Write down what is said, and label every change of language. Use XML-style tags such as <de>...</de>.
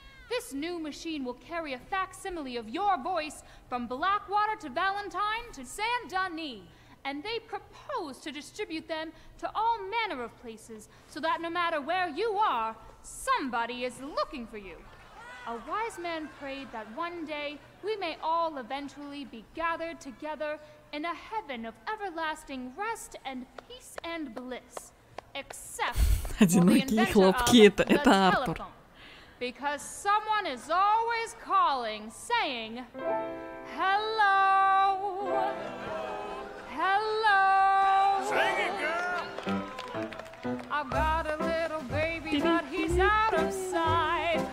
<en>This new machine will carry a facsimile of your voice from Blackwater to Valentine to Saint-Denis, and they propose to distribute them to all manner of places so that no matter where you are, somebody is looking for you. A wise man prayed that one day we may all eventually be gathered together in a heaven of everlasting rest and peace and bliss.</en> <ru>Одинокие хлопки, это Артур.</ru> <en>Because someone is always calling, saying, hello, hello. Sing it, girl. I've got a little baby, but he's out of sight.</en>